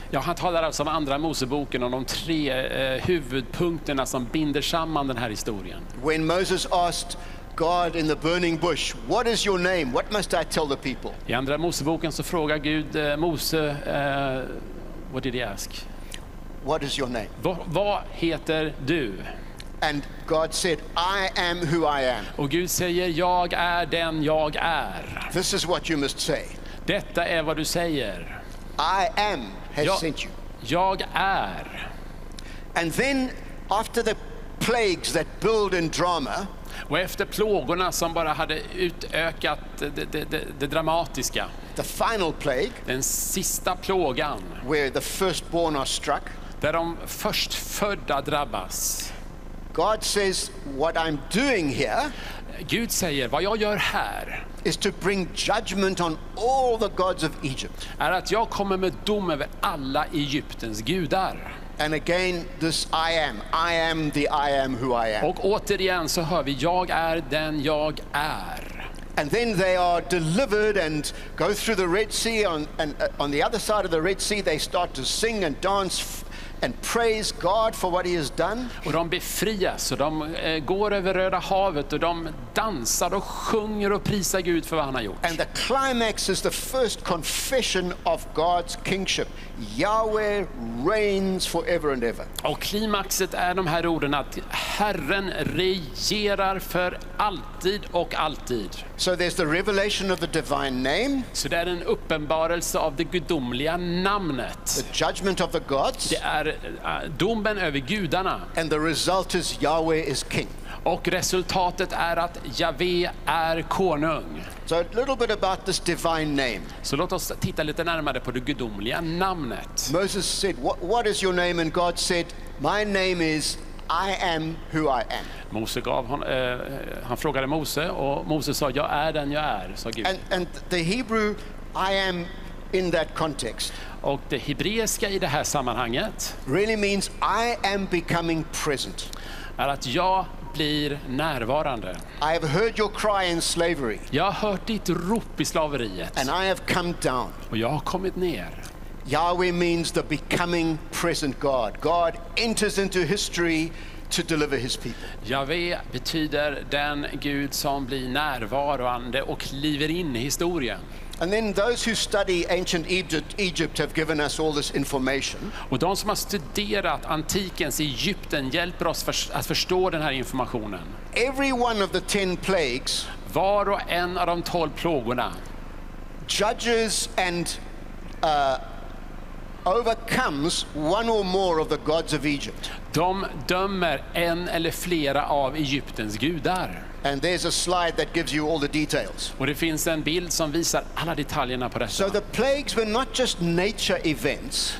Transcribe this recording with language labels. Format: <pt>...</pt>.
<sv>Ja, han talar alltså om andra Moseboken och de tre huvudpunkterna som binder samman den här historien.</sv> <en>When Moses asked God in the burning bush, what is your name? What must I tell the people?</en> <sv>I andra Moseboken så frågar Gud Mose,</sv> <en>what did he ask? What is your name?</en> <sv>Vad heter du?</sv> <en>And God said, I am who I am.</en> <sv>Och Gud säger, jag är den jag är.</sv> <en>This is what you must say.</en> <sv>Detta är vad du säger.</sv> <en>I am has sent you.</en> <sv>Jag är.</sv> <en>And then after the plagues that build in drama,</en> <sv>och efter plågorna som bara hade utökat det dramatiska.</sv> <en>The final plague.</en> <sv>Den sista plågan.</sv> <en>Where the firstborn are struck.</en> <sv>Där de förstfödda drabbas.</sv> <en>God says what I'm doing here.</en> <sv>Gud säger vad jag gör här.</sv> <en>Is to bring judgment on all the gods of Egypt.</en> <sv>Är att jag kommer med dom över alla Egyptens gudar.</sv> <en>And again this I am the I am who I am.</en> <sv>Och återigen så hör vi jag är den jag är.</sv> <en>And then they are delivered and go through the Red Sea on the other side of the Red Sea they start to sing and dance and praise God for what he has done.</en> <sv>Och de befrias och de går över Röda havet och de dansar och sjunger och prisar Gud för vad han har gjort.</sv> <en>And the climax is the first confession of God's kingship. Yahweh reigns forever and ever.</en> <sv>Och klimaxet är de här orden att Herren regerar för alltid och alltid.</sv> <en>So there's the revelation of the divine name.</en> <sv>Så det är en uppenbarelse av det gudomliga namnet.</sv> <en>The judgment of the gods.</en> <sv>Det är domen över gudarna.</sv> <en>And the result is Yahweh is king.</en> <sv>Och resultatet är att Yahweh är konung.</sv> <en>So a little bit about this divine name.</en> <sv>Så låt oss titta lite närmare på det gudomliga namnet.</sv> <en>Moses said, what is your name? And God said, my name is I am who I am.</en> <sv>Mose gav hon, han frågade Mose och Mose sa jag är den jag är, sa Gud.</sv> <en>And the Hebrew I am in that context.</en> <sv>Och det hebreiska i det här sammanhanget</sv> <en>really means I am becoming present.</en> <sv>Är att jag blir närvarande.</sv> <en>I have heard your cry in slavery.</en> <sv>Jag har hört ditt rop i slaveriet.</sv> <en>And I have come down.</en> <sv>Och jag har kommit ner.</sv> <en>Yahweh means the becoming present God. God enters into history to deliver his people.</en> <sv>Yahweh betyder den Gud som blir närvarande och kliver in i historien.</sv> <en>And then those who study ancient Egypt have given us all this information.</en> <sv>Och de som har studerat antikens Egypten hjälper oss att förstå den här informationen.</sv> <en>Every one of the 10 plagues,</en> <sv>var och en av de 12 plågorna,</sv> <en>judges and overcomes one or more of the gods of Egypt.</en> <sv>De dömer en eller flera av Egyptens gudar.</sv> <en>And there's a slide that gives you all the details.</en> <sv>Och det finns en bild som visar alla detaljerna på detta.</sv> <en>So the plagues were not just nature events.</en>